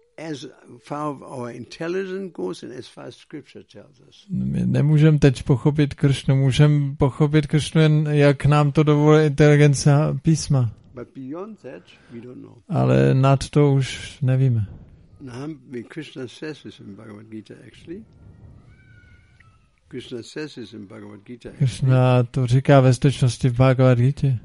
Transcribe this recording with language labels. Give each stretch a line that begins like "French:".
English: As far as our intelligence goes and as far as scripture tells us.
Czech: My nemůžeme teď pochopit Kršnu, můžeme pochopit Kršnu, jak nám to dovolí inteligence písma.
English: But beyond that, we don't know.
Czech: Ale nad to už nevíme.
English: Krishna says this in Bhagavad Gita actually. Krishna says this in Bhagavad Gita.
Czech: Krishna to říká ve skutečnosti v Bhagavad Gita.